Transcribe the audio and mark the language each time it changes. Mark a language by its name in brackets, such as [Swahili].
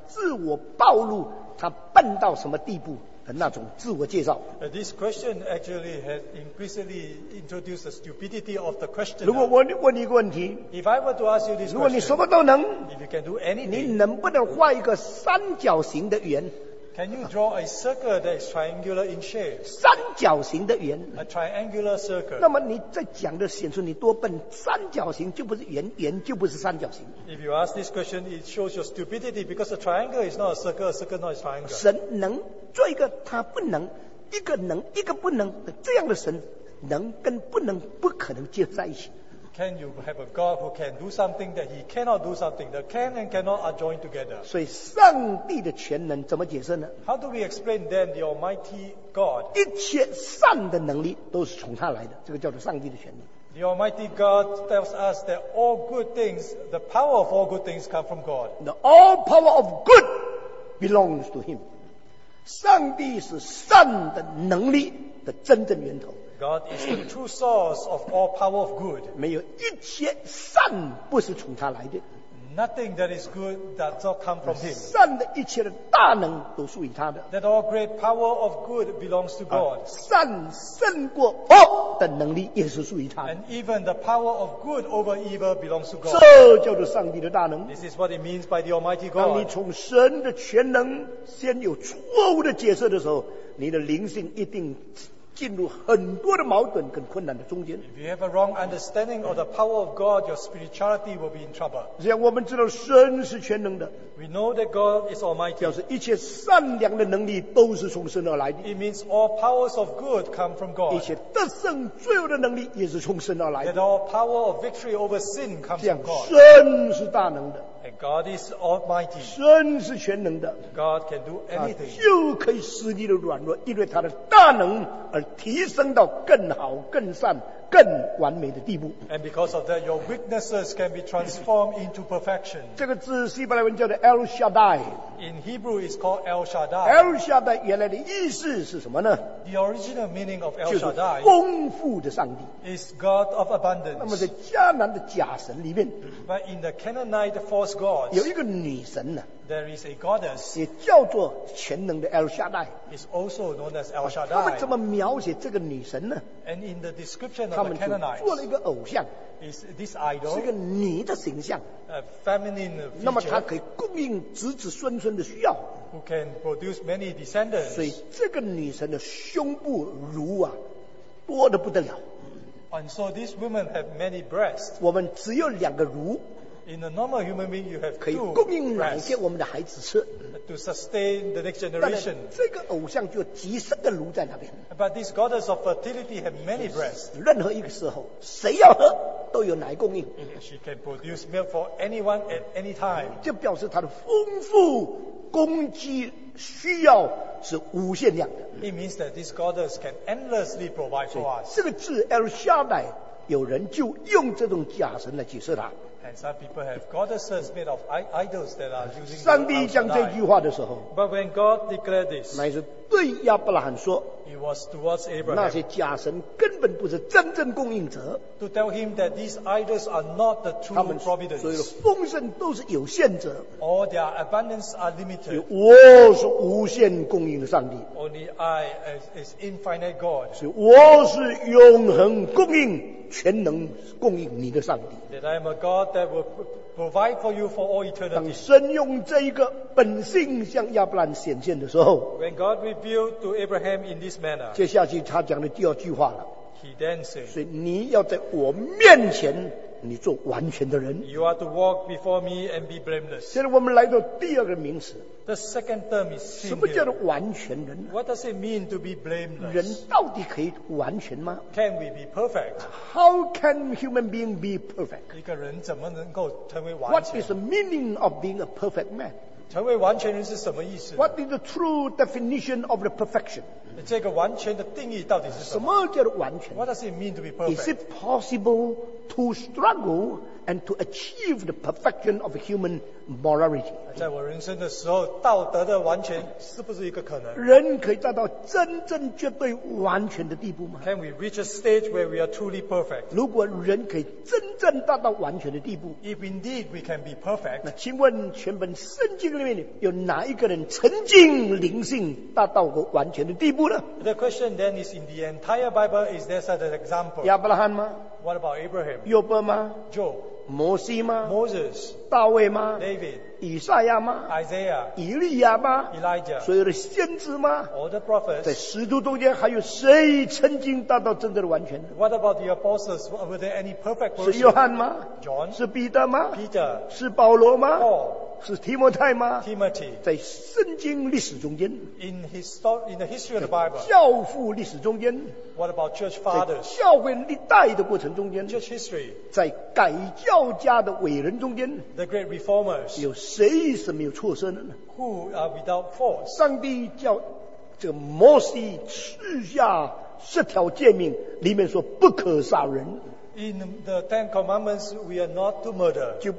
[Chinese] 其实这个题目的本身就隐藏了他自我暴露，他笨到什么地步。那种自我介绍, [English] this question actually has implicitly introduced the stupidity of the question. [Chinese] 如果我问你一个问题, [English] if I were to ask you this [Chinese] 如果你什么都能, [English] question, if you can do anything, [Chinese] 你能不能画一个三角形的圆? [English] Can you draw a circle that is triangular in shape? [Chinese] 三角形的圆, [English] a triangular circle. [Chinese] 那么你在讲的显出你多笨, 三角形就不是圆, 圆就不是三角形。 [English] If you ask this question, it shows your stupidity because a triangle is not a circle, a circle not a triangle. [Chinese] 神能 做一个他不能, 一个能, 一个不能, 这样的神, 能跟不能, 不可能接在一起。 [English] Can you have a God who can do something that he cannot do something? The can and cannot are joined together. [Chinese] 所以上帝的全能怎么解释呢? [English] How do we explain then the Almighty God? [Chinese] 一切善的能力都是从他来的, 这个叫做上帝的全能。 [English] The Almighty God tells us that all good things, the power of all good things come from God. The all power of good belongs to him. [Chinese] 上帝是善的能力的真正源头。 [English] God is the true source of all power of good. [Chinese] 没有一切善不是从他来的。 [English] Nothing that is good does not come from him. [Chinese] 善的一切的大能都属于他的。 [English] That all great power of good belongs to God. [Chinese] 善胜过恶的能力也是属于他的。 [English] And even the power of good over evil belongs to God. [Chinese] 这叫做上帝的大能。 [English] This is what it means by the Almighty God. [Chinese] 当你从神的全能先有错误的解释的时候, 你的灵性一定进入很多的矛盾跟困难的中间。 [English] If you have a wrong understanding of the power of God, your spirituality will be in trouble. [Chinese] 这样我们知道神是全能的。 [English] We know that God is almighty. [Chinese] 表示一切善良的能力都是从神而来的。 [English] It means all powers of good come from God. [Chinese] 一切得胜罪恶的能力也是从神而来的。 [English] That all power of victory over sin comes from God. [Chinese] 神是大能的。 [English] And God is almighty. [Chinese] 神是全能的。 [English] God can do anything. [Chinese] 就可以使你的软弱, 因为他的大能而提升到更好更善, 更完美的地步。 [English] And because of that, your weaknesses can be transformed into perfection. [Chinese] 这个字希伯来文叫做 El Shaddai. [English] In Hebrew, it's called El Shaddai. [Chinese] El Shaddai 原来的意思是什么呢? [English] The original meaning of El Shaddai [Chinese] 就是丰富的上帝。 [English] Is God of abundance. [Chinese] 那么在迦南的假神里面, [English] but in the Canaanite false gods, [Chinese] 有一个女神呢, [English] there is a goddess, [Chinese] 也叫做全能的 El Shaddai. [English] Is also known as El Shaddai. [Chinese] 他们怎么描写这个女神呢? [English] And in the description of the Canaanites, [Chinese] 他们就做了一个偶像, [English] is this idol, [Chinese] 是个女的形象, [English] a feminine feature, [Chinese] 那么她可以供应子子孙孙的需要, [English] who can produce many descendants. [Chinese] 所以这个女神的胸部乳啊, 多得不得了。 [English] And so this woman have many breasts. [Chinese] 我们只有两个乳, [English] in a normal human being, you have two breasts to sustain the next generation. [Chinese] 但这个偶像就有几十个炉在那边。 [English] But this goddess of fertility has many breasts. [Chinese] 任何一个时候, 谁要喝, 都有奶供应。 [English] She can produce milk for anyone at any time. [Chinese] 就表示她的丰富供给需要是无限量的。 [English] It means that this goddess can endlessly provide for us. [Chinese] 这个字 El Shaddai, 有人就用这种假神来解释它。 [English] And some people have goddesses made of idols that are using. [Chinese] 上帝讲这句话的时候, [English] but when God declared this, [Chinese] 乃是对亚伯拉罕说, [English] it was towards Abraham. [Chinese] 那些假神根本不是真正供应者, [English] to tell him that these idols are not the true providence. [Chinese] 所有的丰盛都是有限者, [English] all their abundance are limited. [Chinese] 我是无限供应的上帝, [English] only I is infinite God. [Chinese] 我是永恒供应, 全能供应你的上帝。 [English] That I am a God that will provide for you for all eternity. [Chinese] 当神用这一个本性向亚伯兰显现的时候, [English] when God revealed to Abraham in this manner, [Chinese] 接下去他讲的第二句话了, [English] he then said, [Chinese] 所以你要在我面前, 你做完全的人。 [English] You are to walk before me and be blameless. [Chinese] 现在我们来到第二个名词, [English] the second term is sin. [Chinese] 什么叫做完全人? [English] What does it mean to be blameless? [Chinese] 人到底可以完全吗? [English] Can we be perfect? How can human being be perfect? [Chinese] 一个人怎么能够成为完全? [English] What is the meaning of being a perfect man? [Chinese] 成为完全人是什么意思? [English] What is the true definition of the perfection? [Chinese] 这个完全的定义到底是什么? 什么叫做完全? [English] What does it mean to be perfect? Is it possible to struggle and to achieve the perfection of human morality? [Chinese] 在我人生的时候,道德的完全是不是一个可能? 人可以达到真正绝对完全的地步吗? [English] Can we reach a stage where we are truly perfect? [Chinese] 如果人可以真正达到完全的地步, [English] if indeed we can be perfect, [Chinese] 那请问全本圣经里面有哪一个人曾经灵性达到过完全的地步呢? [English] The question then is, in the entire Bible, is there such an example? [Chinese] 亚伯拉罕吗? [English] What about Abraham? [Chinese] 约伯吗? [English] Job? [Chinese] 摩西吗? [English] Moses? [Chinese] 大卫吗? [English] David? [Chinese] 以赛亚吗? [English] Isaiah? [Chinese] 以利亚吗? [English] Elijah? [Chinese] 所有的先知吗? [English] All the prophets? [Chinese] 在使徒中间还有谁曾经达到真正的完全? [English] What about the apostles? Were there any perfect persons? [Chinese] 是约翰吗? [English] John? [Chinese] 是彼得吗? [English] Peter? [Chinese] 是保罗吗? [English] Paul? [Chinese] 是提摩太吗? [English] Timothy? [Chinese] 在圣经历史中间? [English] In the history of the Bible? [Chinese] 在教父历史中间? [English] What about church fathers? [Chinese] 在教会历代的过程中间? [English] Church history? [Chinese] 在改教家的伟人中间? [English] The great reformers? [Chinese] 有谁是没有错身的呢? [English] Who are without fault? [Chinese] 上帝叫这个摩西赐下十条诫命里面说不可杀人。 [English] In the Ten Commandments, we are not to murder.